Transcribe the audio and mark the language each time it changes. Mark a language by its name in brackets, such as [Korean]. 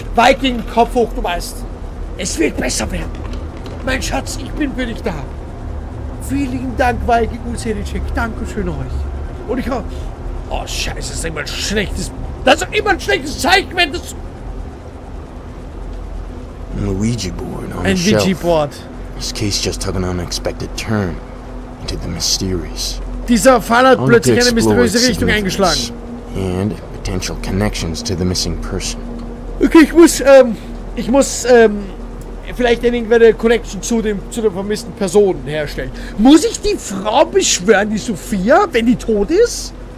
[German] Viking, Kopf hoch, du weißt. Es wird besser werden. Mein Schatz, ich bin für dich da. Vielen Dank, Viking und Selicek. Dankeschön euch. Und ich hoffe... Oh, scheiße, das ist immer ein schlechtes... Das ist immer ein schlechtes Zeichen, wenn das... [English] Luigi Board on the shelf. This case just took an unexpected turn into the mysterious. Dieser Fall hat plötzlich eine mysteriöse Richtung eingeschlagen. And potential connections to the missing person. [German] Okay, ich muss vielleicht irgendwelche Connection zu der vermissten Person herstellen. Muss ich die Frau beschwören, die Sophia, wenn die tot ist?